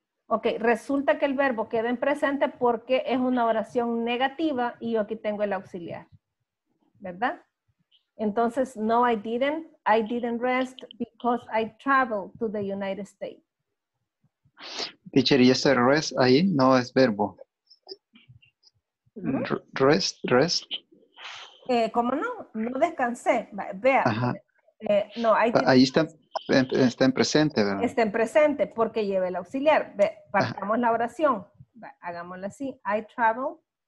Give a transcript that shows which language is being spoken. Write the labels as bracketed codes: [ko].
[es] Ok, resulta que el verbo queda en presente porque es una oración negativa y yo aquí tengo el auxiliar, ¿verdad? Entonces, [en] no, I didn't rest because I traveled to the United States. [es] Teacher, ¿y ese rest ahí no es verbo? [en] Uh-huh. Rest. [es] ¿Cómo no? No descansé. Vea. No, ahí está en presente, ¿verdad? Está en presente porque lleva el auxiliar. Partamos la oración. Hagámoslo así. [en] I travel.